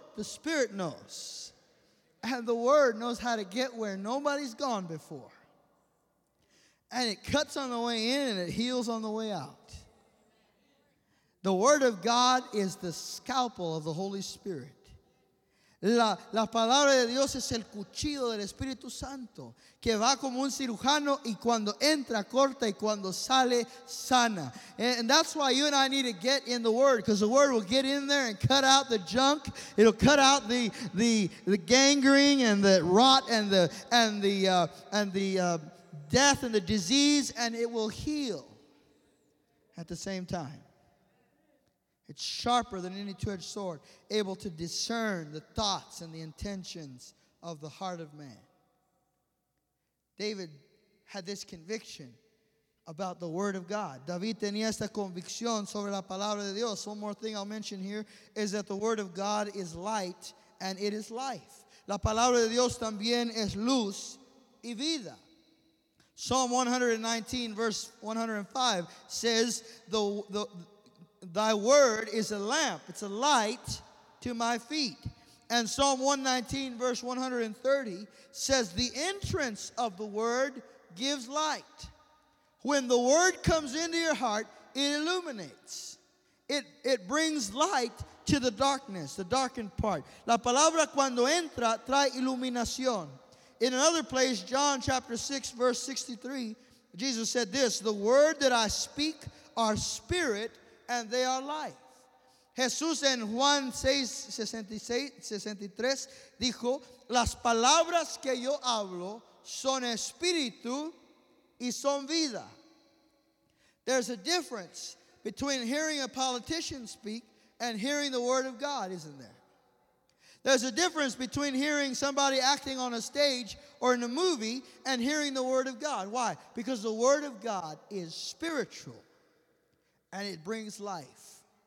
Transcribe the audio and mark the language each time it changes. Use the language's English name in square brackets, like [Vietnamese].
[English] The Spirit knows. And the Word knows how to get where nobody's gone before. And it cuts on the way in and it heals on the way out. The Word of God is the scalpel of the Holy Spirit. [Spanish] La palabra de Dios es el cuchillo del Espíritu Santo, que va como un cirujano y cuando entra corta y cuando sale sana. [English] And that's why you and I need to get in the Word, because the Word will get in there and cut out the junk. It'll cut out the gangrene and the rot and the death and the disease, and it will heal at the same time. It's sharper than any two-edged sword, able to discern the thoughts and the intentions of the heart of man. David had this conviction about the Word of God. [Spanish] David tenía esta convicción sobre la palabra de Dios. [English] One more thing I'll mention here is that the Word of God is light and it is life. [Spanish] La palabra de Dios también es luz y vida. [English] Psalm 119, verse 105 says, Thy word is a lamp, it's a light to my feet. And Psalm 119, verse 130 says, the entrance of the word gives light. When the word comes into your heart, it illuminates. It brings light to the darkness, the darkened part. [Spanish] La palabra cuando entra trae iluminación. [English] In another place, John chapter 6, verse 63, Jesus said this, the word that I speak are spirit, and they are life. [Spanish] Jesús en Juan 6:63 dijo, las palabras que yo hablo son espíritu y son vida. [English] There's a difference between hearing a politician speak and hearing the word of God, isn't there? There's a difference between hearing somebody acting on a stage or in a movie and hearing the word of God. Why? Because the word of God is spiritual. And it brings life.